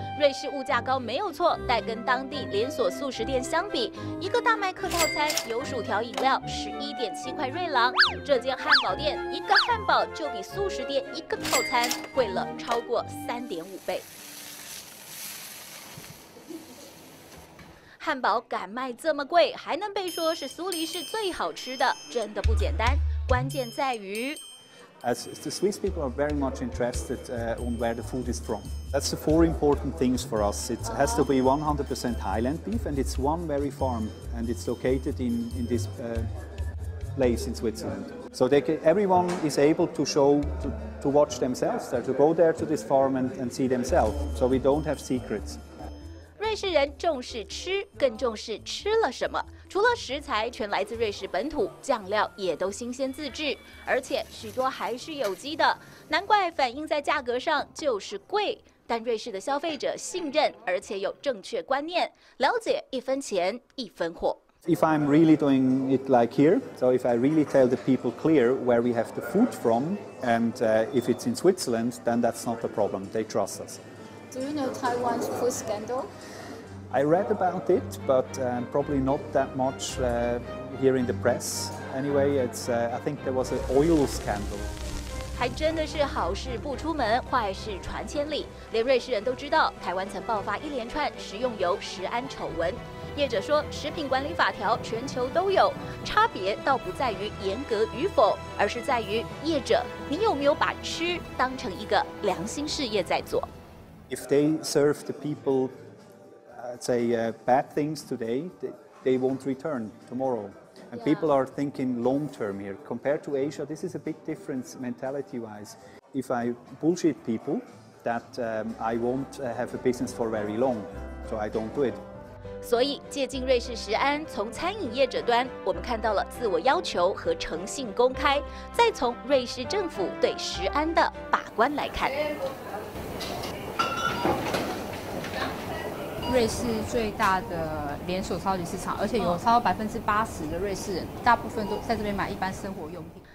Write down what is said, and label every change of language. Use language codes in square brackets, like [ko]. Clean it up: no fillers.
[zh] 瑞士物价高没有错，但跟当地连锁素食店相比，一个大麦克套餐有薯条饮料11.7块瑞郎，这间汉堡店一个汉堡就比素食店一个套餐贵了超过3.5倍。汉堡敢卖这么贵，还能被说是苏黎世最好吃的，真的不简单。关键在于 [en] ，As the Swiss people are very much interested on where the food is from. That's the four important things for us. It has to be 100% Highland beef, and it's one very farm, and it's located in this place in Switzerland. So everyone is able to show to watch themselves there, to go there to this farm and see themselves. So we don't have secrets. [zh] 瑞士人重视吃，更重视吃了什么。除了食材全来自瑞士本土，酱料也都新鲜自制，而且许多还是有机的，难怪反映在价格上就是贵。但瑞士的消费者信任，而且有正确观念，了解一分钱一分货。 [en] If I'm really doing it like here, so if I really tell the people clear where we have the food from, and if it's in Switzerland, then that's not the problem. They trust us. Do you know Taiwan's food scandal? I read about it, but probably not that much here in the press. Anyway, I think there was an oil scandal. [zh] 还真的是好事不出门，坏事传千里。连瑞士人都知道，台湾曾爆发一连串食用油食安丑闻。业者说，食品管理法条全球都有，差别倒不在于严格与否，而是在于业者，你有没有把吃当成一个良心事业在做。 [en] If they serve the people, bad things today, they won't return tomorrow. And people are thinking long term here. Compared to Asia, this is a big difference mentality-wise. If I bullshit people, that I won't have a business for very long, so I don't do it. [zh] 所以借镜瑞士食安，从餐饮业者端，我们看到了自我要求和诚信公开，再从瑞士政府对食安的把关来看。瑞士最大的连锁超级市场，而且有超过80%的瑞士人，大部分都在这边买一般生活用品。